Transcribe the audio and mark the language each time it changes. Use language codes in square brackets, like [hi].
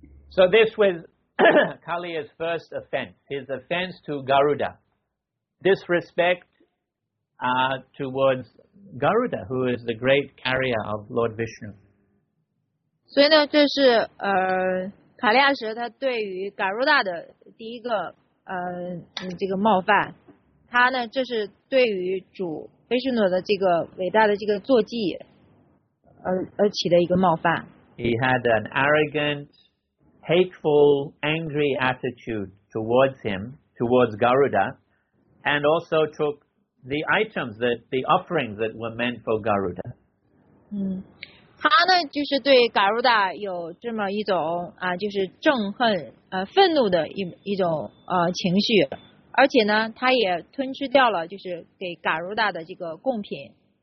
[en] So this was Kaliya's first offense, his offense to Garuda. Disrespect towards Garuda, who is the great carrier of Lord Vishnu. [zh] 所以呢，这是卡利亚什他对于嘎鲁达的第一个这个冒犯，他呢这是对于主维什诺的这个伟大的这个坐骑而起的一个冒犯。 [en] He had an arrogant, hateful, angry attitude towards him, towards Garuda, and also took the items that the offerings that were meant for Garuda. [zh] 他呢就是对 Garuda 有这么一种就是憎恨愤怒的一种情绪，而且呢他也吞吃掉了就是给 Garuda 的这个贡品。